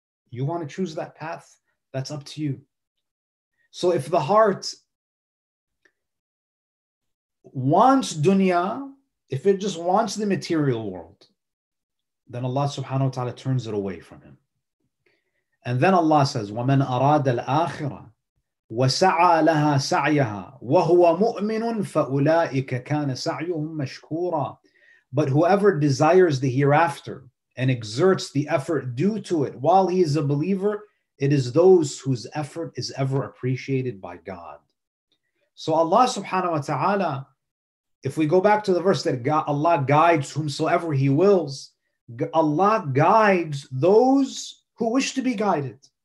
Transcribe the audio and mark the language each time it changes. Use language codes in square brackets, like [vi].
[en] You want to choose that path? That's up to you. So if the heart wants dunya, if it just wants the material world, then Allah subhanahu wa ta'ala turns it away from him. And then Allah says, [ar] وَمَنْ أَرَادَ الْآخِرَةِ وَسَعَى لَهَا سَعْيَهَا وَهُوَ مُؤْمِنٌ فَأُولَٰئِكَ كَانَ سَعْيُهُمْ مَشْكُورًا. [en] But whoever desires the hereafter and exerts the effort due to it while he is a believer, it is those whose effort is ever appreciated by God. So Allah subhanahu wa ta'ala, if we go back to the verse that Allah guides whomsoever he wills, Allah guides those who wish to be guided.